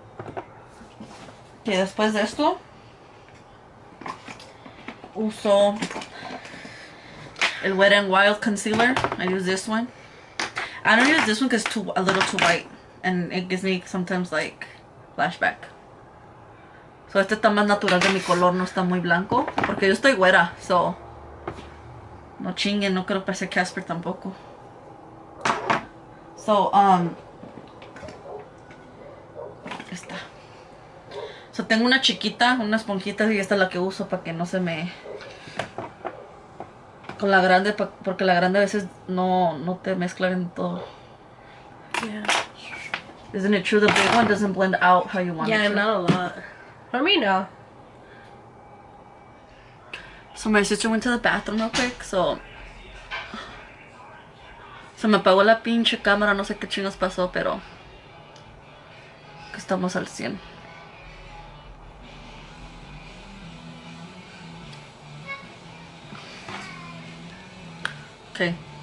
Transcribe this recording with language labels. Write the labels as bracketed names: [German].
[Spanish] Okay. Y después de esto uso el Wet n Wild concealer. [English] I use this one. I don't use this one because it's too, a little too white, and it gives me sometimes like flashback. [Spanish] So este está más natural de mi color, no está muy blanco porque yo estoy güera. So no chingue, no quiero parecer Casper tampoco. So So, tengo una chiquita, una esponjita, y esta es la que uso para que no se me... Con la grande, porque la grande a veces no te mezcla en todo. [English] Yeah. Isn't it true the big one doesn't blend out how you want it to? Yeah, not a lot. For me, no. So, my sister went to the bathroom real quick, so... [Spanish] Se me apagó la pinche cámara, no sé qué chingos pasó, pero... Que estamos al 100. [English] Okay.